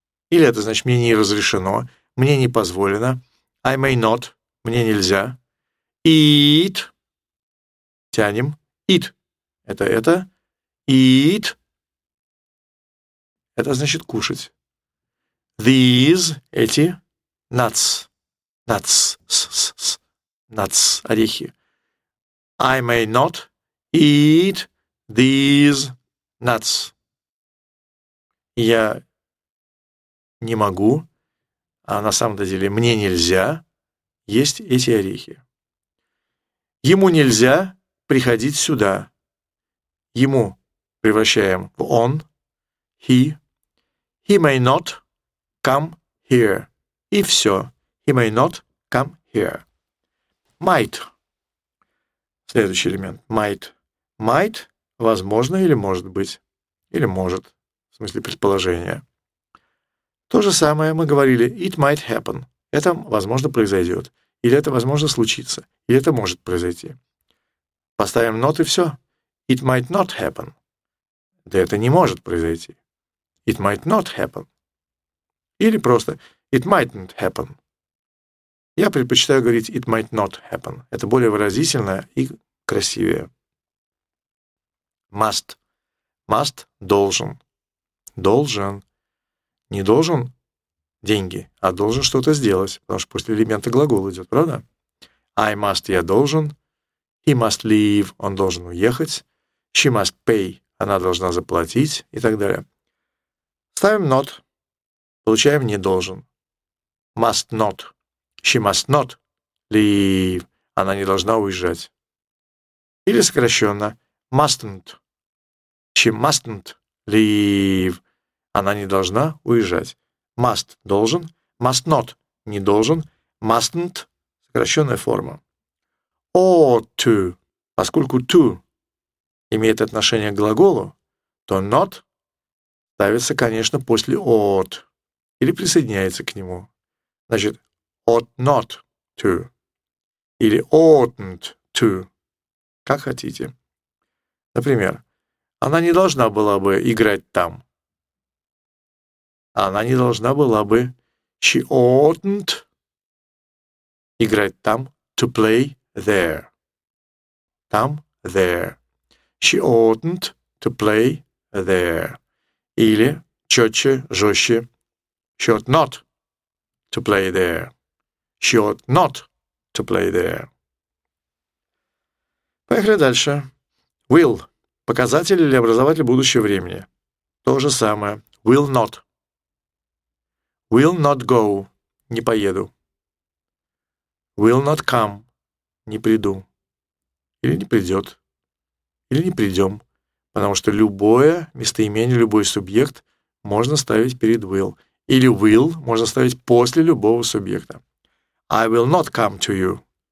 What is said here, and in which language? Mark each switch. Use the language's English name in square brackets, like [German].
[Russian] Или это значит «мне не разрешено», «мне не позволено», [English] «I may not», [Russian] «мне нельзя». «Eat», тянем, «eat», это, «eat», это значит «кушать». «These», эти, «nuts», «nuts», «s-s-s», «nuts», орехи. [English] «I may not eat these nuts». [Russian] Я не могу, а на самом-то деле мне нельзя есть эти орехи. Ему нельзя приходить сюда. Ему превращаем в он, he. [English] He may not come here. [Russian] И все. [English] He may not come here. Might. [Russian] Следующий элемент. [English] Might. [Russian] Might – возможно или может быть. Или может. В смысле предположения. То же самое мы говорили [English] «it might happen» [Russian] – это, возможно, произойдет, или это, возможно, случится, или это может произойти. Поставим «not» и все. [English] «It might not happen» [Russian] – да это не может произойти. [English] «It might not happen» [Russian] или просто [English] «it mightn't happen». [Russian] Я предпочитаю говорить [English] «it might not happen». [Russian] Это более выразительно и красивее. [English] «Must» – «must» – «должен». [Russian] «Должен». Не должен деньги, а должен что-то сделать, потому что после элемента глагол идет, правда? [English] I must, [Russian] я должен. [English] He must leave, [Russian] он должен уехать. [English] She must pay, [Russian] она должна заплатить и так далее. Ставим not, получаем не должен. [English] Must not, she must not leave, [Russian] она не должна уезжать. Или сокращенно, [English] mustn't, she mustn't leave. [Russian] Она не должна уезжать. Must – должен. [English] Must not [Russian] – не должен. Mustn't – сокращенная форма. [English] Ought to [Russian] – поскольку to имеет отношение к глаголу, то not ставится, конечно, после ought или присоединяется к нему. Значит, [English] ought not to или oughtn't to. [Russian] Как хотите. Например, она не должна была бы играть там. Она не должна была бы, [English] she oughtn't, [Russian] играть там, [English] to play there. [Russian] Там, there. [English] She oughtn't to play there. [Russian] Или, четче, жестче, [English] she ought not to play there. She ought not to play there. [Russian] Поехали дальше. Will. Показатель или образователь будущего времени. То же самое. [English] Will not. Will not go – [Russian] не поеду. [English] Will not come – [Russian] не приду. Или не придет. Или не придем. Потому что любое местоимение, любой субъект можно ставить перед will. Или will можно ставить после любого субъекта. [English] I will not come to you –